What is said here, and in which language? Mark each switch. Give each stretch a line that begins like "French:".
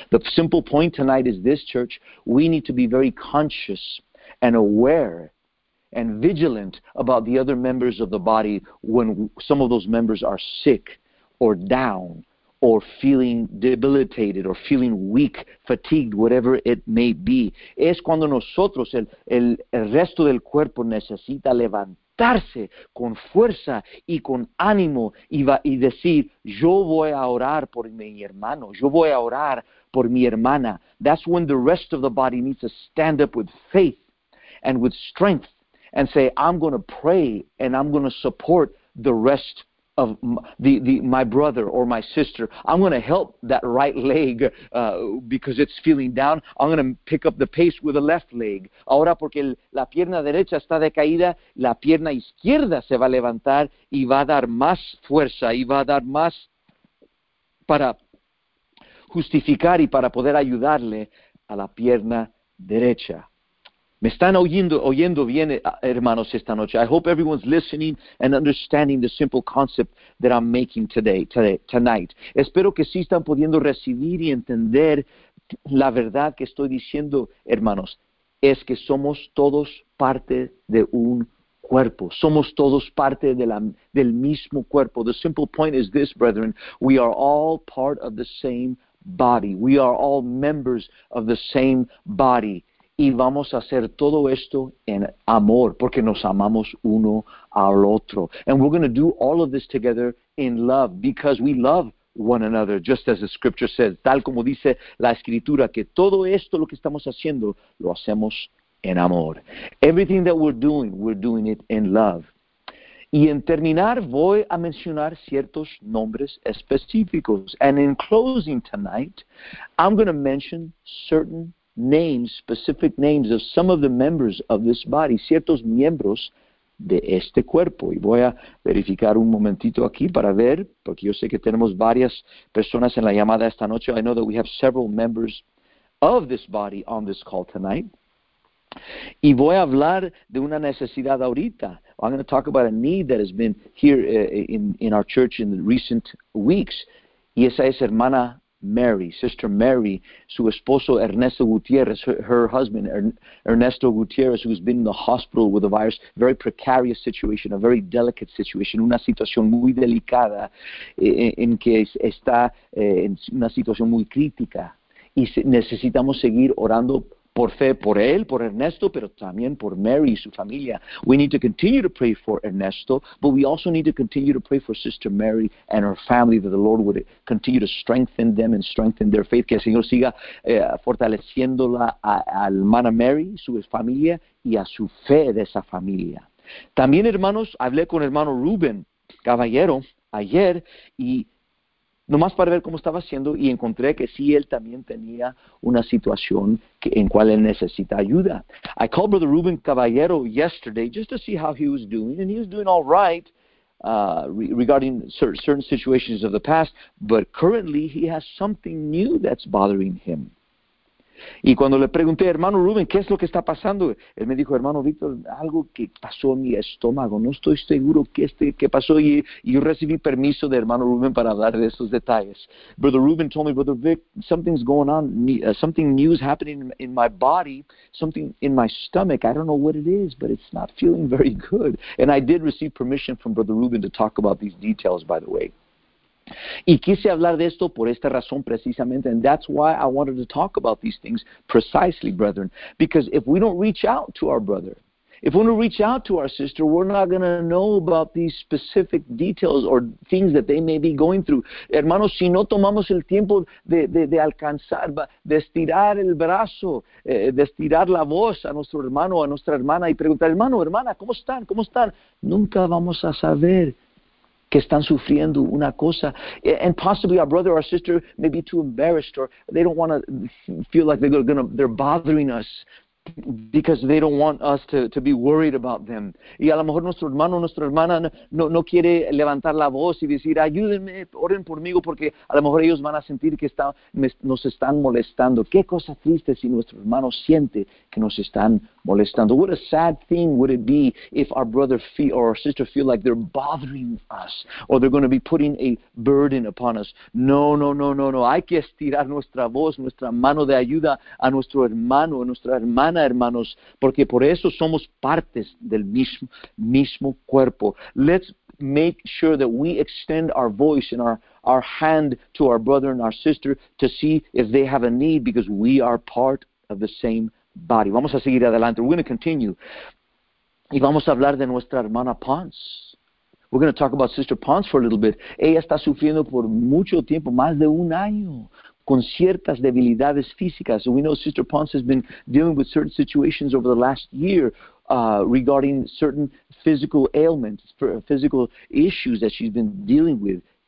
English: The simple point tonight is this, church. We need to be very conscious and aware and vigilant about the other members of the body when some of those members are sick or down or feeling debilitated or feeling weak, fatigued, whatever it may be.
Spanish: Es cuando nosotros, el resto del cuerpo necesita levantarse con fuerza y con ánimo y decir, yo voy a orar por mi hermano, yo voy a orar por mi hermana.
English: That's when the rest of the body needs to stand up with faith and with strength and say, I'm going to pray and I'm going to support the rest of my brother or my sister. I'm going to help that right leg because it's feeling down. I'm going to pick up the pace with the left leg.
Spanish: Ahora porque la pierna derecha está decaída, la pierna izquierda se va a levantar y va a dar más fuerza y va a dar más para justificar y para poder ayudarle a la pierna derecha. Me están oyendo bien, hermanos, esta noche.
English: I hope everyone's listening and understanding the simple concept that I'm making tonight.
Spanish: Espero que sí están pudiendo recibir y entender la verdad que estoy diciendo, hermanos. Es que somos todos parte de un cuerpo. Somos todos parte del mismo cuerpo.
English: The simple point is this, brethren. We are all part of the same body. We are all members of the same body.
Spanish: Y vamos a hacer todo esto en amor, porque nos amamos uno al otro.
English: And we're going to do all of this together in love, because we love one another, just as the scripture says.
Spanish: Tal como dice la escritura, que todo esto, lo que estamos haciendo, lo hacemos en amor.
English: Everything that we're doing it in love.
Spanish: Y en terminar, voy a mencionar ciertos nombres específicos.
English: And in closing tonight, I'm going to mention certain names, specific names of some of the members of this body,
Spanish: ciertos miembros de este cuerpo. Y voy a verificar un momentito aquí para ver, porque yo sé que tenemos varias personas en la llamada esta noche.
English: I know that we have several members of this body on this call tonight.
Spanish: Y voy a hablar de una necesidad ahorita.
English: I'm going to talk about a need that has been here in our church in the recent weeks.
Spanish: Y esa es hermana Mary, Sister Mary, su esposo Ernesto Gutierrez,
English: her husband Ernesto Gutierrez, who's been in the hospital with the virus, very precarious situation, a very delicate situation,
Spanish: una situación muy delicada en que está en una situación muy crítica. Y necesitamos seguir orando por fe por él, por Ernesto, pero también por Mary y su familia.
English: We need to continue to pray for Ernesto, but we also need to continue to pray for Sister Mary and her family, that the Lord would continue to strengthen them and strengthen their faith.
Spanish: Que el Señor siga fortaleciéndola a hermana Mary, su familia, y a su fe de esa familia. También, hermanos, hablé con hermano Rubén Caballero ayer, y nomás para ver cómo estaba haciendo, y encontré que sí, él también tenía una situación que, en cual él necesita ayuda.
English: I called Brother Rubén Caballero yesterday just to see how he was doing, and he was doing all right regarding certain situations of the past, but currently he has something new that's bothering him.
Spanish: Y cuando le pregunté, hermano Rubén, ¿qué es lo que está pasando? Él me dijo, hermano Víctor, algo que pasó en mi estómago, no estoy seguro qué pasó, y yo recibí permiso de hermano Rubén para hablar de esos detalles.
English: Brother Rubén told me, Brother Vic, something's going on, something new is happening in my body, something in my stomach, I don't know what it is, but it's not feeling very good. And I did receive permission from Brother Rubén to talk about these details, by the way.
Spanish: Y quise hablar de esto por esta razón precisamente,
English: and that's why I wanted to talk about these things precisely, brethren. Because if we don't reach out to our brother, if we don't reach out to our sister, we're not going to know about these specific details or things that they may be going through.
Spanish: Hermanos, si no tomamos el tiempo de alcanzar, de estirar el brazo, de estirar la voz a nuestro hermano o a nuestra hermana y preguntar, hermano, hermana, ¿cómo están? ¿Cómo están? Nunca vamos a saber que están sufriendo una cosa.
English: And possibly our brother or sister may be too embarrassed, or they don't want to feel like they're bothering us because they don't want us to be worried about them.
Spanish: Y a lo mejor nuestro hermano o nuestra hermana no quiere levantar la voz y decir, ayúdenme, oren por mí, porque a lo mejor ellos van a sentir que nos están molestando. Qué cosa triste si nuestro hermano siente que nos están molestando.
English: What a sad thing would it be if our brother or our sister feel like they're bothering us, or they're going to be putting a burden upon us.
Spanish: No. Hay que estirar nuestra voz, nuestra mano de ayuda a nuestro hermano, a nuestra hermana, hermanos, porque por eso somos partes del mismo cuerpo.
English: Let's make sure that we extend our voice and our hand to our brother and our sister to see if they have a need, because we are part of the same body.
Spanish: Vamos a seguir adelante.
English: We're going to continue.
Spanish: Y vamos a hablar de nuestra hermana Ponce.
English: We're going to talk about Sister Ponce for a little bit.
Spanish: Ella está sufriendo por mucho tiempo, más de un año, con ciertas debilidades físicas.
English: We know Sister Ponce has been dealing with certain situations over the last year regarding certain physical ailments, physical issues that she's been dealing with.